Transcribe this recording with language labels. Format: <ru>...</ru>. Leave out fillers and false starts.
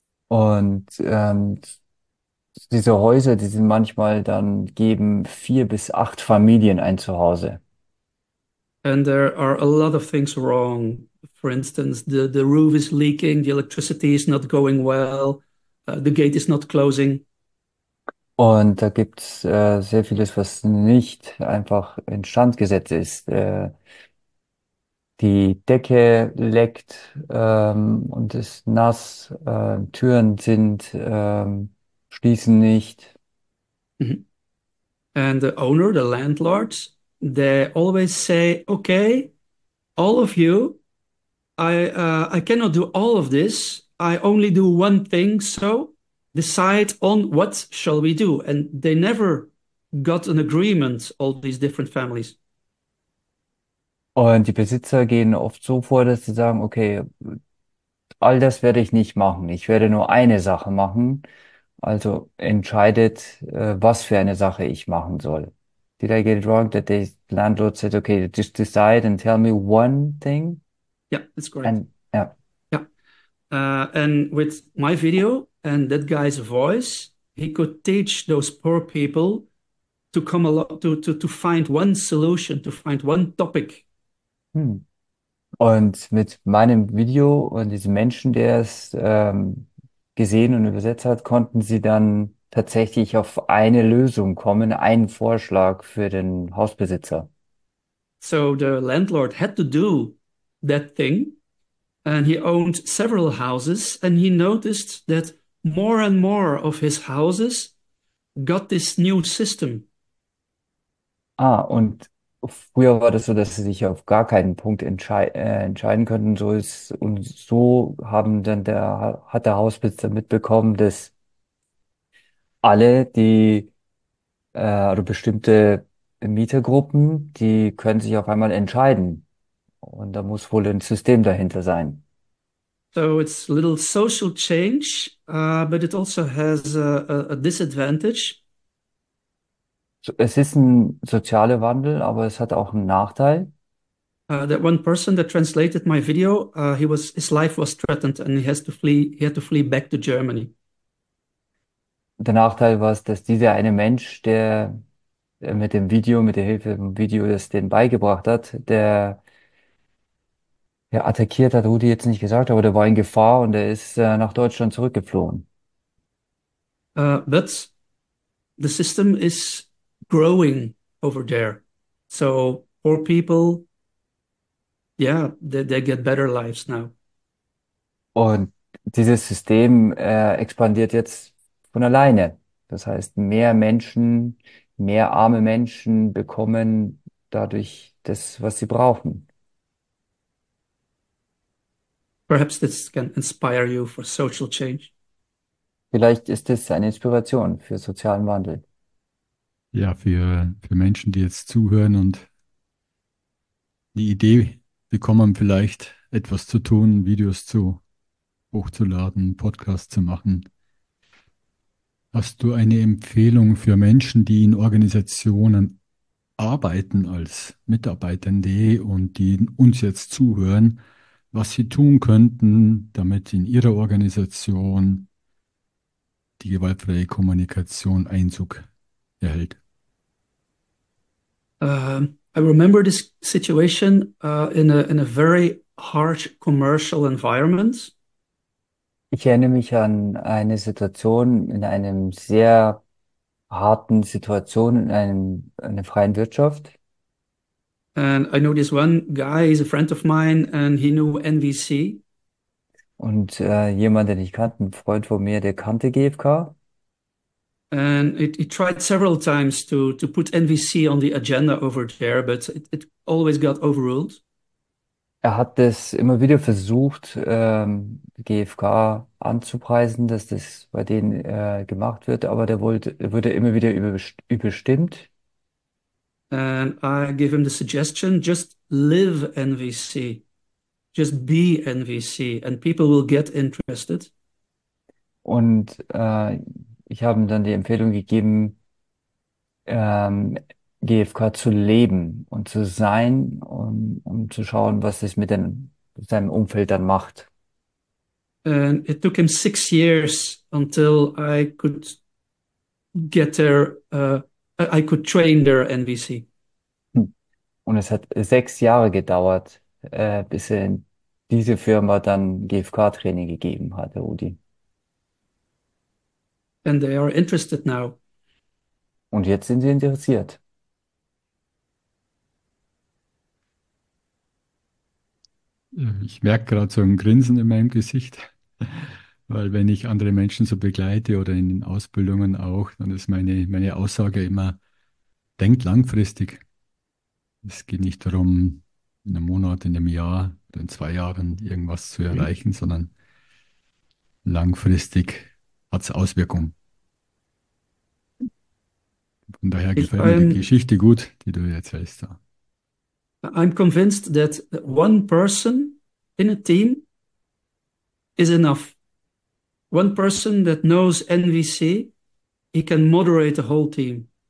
<de>Und diese Häuser, die sind manchmal dann geben 4 bis 8 Familien ein Zuhause.</de> <en>And there are a lot of things wrong. For instance, the roof is leaking, the electricity is not going well, the gate is not closing.</en> <de>Und da gibt es sehr vieles, was nicht einfach instand gesetzt ist. Die Decke leckt und ist nass. Türen sind schließen nicht.</de> <en>And the owner, the landlords, they always say, "Okay, all of you, I cannot do all of this. I only do one thing, so decide on what shall we do." And they never got an agreement, all these different families.</en> <de>Und die Besitzer gehen oft so vor, dass sie sagen, okay, all das werde ich nicht machen. Ich werde nur eine Sache machen. Also entscheidet, was für eine Sache ich machen soll.</de> <en>Did I get it wrong that the landlord said, okay, just decide and tell me one thing? Yeah, that's correct. And, ja. And with my video and that guy's voice, he could teach those poor people to come along to find one solution, to find one topic.</en> <de>Und mit meinem Video und diesem Menschen, der es gesehen und übersetzt hat, konnten sie dann tatsächlich auf eine Lösung kommen, einen Vorschlag für den Hausbesitzer.</de> <en>So the landlord had to do that thing, and he owned several houses, and he noticed that more and more of his houses got this new system.</en> <de>Ah, und früher war das so, dass sie sich auf gar keinen Punkt entscheiden könnten. So ist, und so haben dann hat der Hausbesitzer mitbekommen, dass alle, die oder bestimmte Mietergruppen, die können sich auf einmal entscheiden. Und da muss wohl ein System dahinter sein.</de> <en>So it's a little social change, but it also has a disadvantage.</en> <de>Es ist ein sozialer Wandel, aber es hat auch einen Nachteil.</de> <en>That one person that translated my video, he was his life was threatened and he had to flee back to Germany.</en> <de>Der Nachteil war es, dass dieser eine Mensch, der mit dem Video, mit der Hilfe vom Video, das den beigebracht hat, der attackiert hat, Rudi jetzt nicht gesagt, aber der war in Gefahr und er ist nach Deutschland zurückgeflohen.</de> <en>But the system is growing over there. So poor people, yeah, they get better lives now.</en> <de>Und dieses System expandiert jetzt von alleine. Das heißt, mehr Menschen, mehr arme Menschen bekommen dadurch das, was sie brauchen.</de> <en>Perhaps this can inspire you for social change.</en> <de>Vielleicht ist es eine Inspiration für sozialen Wandel. Ja, für Menschen, die jetzt zuhören und die Idee bekommen, vielleicht etwas zu tun, Videos zu hochzuladen, Podcasts zu machen. Hast du eine Empfehlung für Menschen, die in Organisationen arbeiten als Mitarbeitende und die uns jetzt zuhören, was sie tun könnten, damit in ihrer Organisation die gewaltfreie Kommunikation Einzug erhält?</de> <en>I remember this situation in a very harsh commercial environment.</en> <de>Ich erinnere mich an eine Situation in einem sehr harten Situation in einer freien Wirtschaft.</de> <en>And I know this one guy is a friend of mine and he knew NVC.</en> <de>Und jemand, den ich kannte, ein Freund von mir, der kannte GfK.</de> <en>And it tried several times to put NVC on the agenda over there, but it always got overruled.</en> <de>Er hat es immer wieder versucht, GfK anzupreisen, dass das bei denen gemacht wird, aber wurde immer wieder überstimmt.</de> <en>And I give him the suggestion, just live NVC, just be NVC, and people will get interested.</en> <de>Und ich habe ihm dann die Empfehlung gegeben, GfK zu leben und zu sein und um zu schauen, was es mit seinem Umfeld dann macht.</de> <en>And it took him 6 years until I could get there, I could train their NVC.</en> <de>Und es hat 6 Jahre gedauert, bis er in diese Firma dann GfK-Training gegeben hat, Rudi.</de> <en>And they are interested now.</en> <de>Und jetzt sind sie interessiert. Ich merke gerade so ein Grinsen in meinem Gesicht, weil wenn ich andere Menschen so begleite oder in den Ausbildungen auch, dann ist meine Aussage immer, denkt langfristig. Es geht nicht darum, in einem Monat, in einem Jahr oder in 2 Jahren irgendwas zu erreichen, sondern langfristig hat es Auswirkungen. Von daher gefällt mir die Geschichte gut, die du jetzt erzählst da.</de> <en>I'm convinced that one person in a team is enough. One person that knows NVC, he can moderate the whole team.</en>